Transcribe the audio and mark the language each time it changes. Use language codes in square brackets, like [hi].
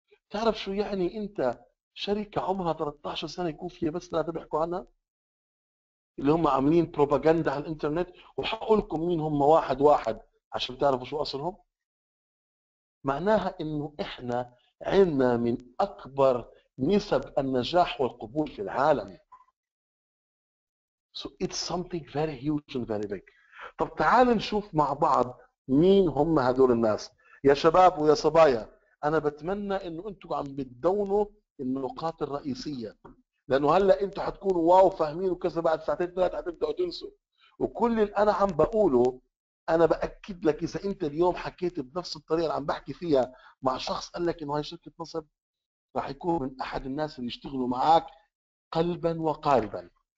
[ar] تعرف شو يعني أنت شركة عمرها 13 سنة يكون فيها بس 3 بيحكوا عنها؟ اللي هم عاملين بروباغندا على الإنترنت، وحقولكم مين هم واحد واحد عشان تعرفوا شو أصلهم؟ معناها أنه إحنا عنا من أكبر نسب النجاح والقبول في العالم. [en] So it's something very huge and very big. [ar] طب تعال نشوف مع بعض مين هم هذول الناس يا شباب ويا صبايا. انا بتمنى انه انتم عم بتدونوا النقاط الرئيسيه، لانه هلا انتم حتكونوا واو فاهمين وكذا، بعد ساعتين ثلاث حتبداوا تنسوا. وكل اللي انا عم بقوله انا باكد لك، اذا انت اليوم حكيت بنفس الطريقه اللي عم بحكي فيها مع شخص قال لك انه هاي شركه نصب، راح يكون من احد الناس اللي يشتغلوا معك قلبا وقالبا.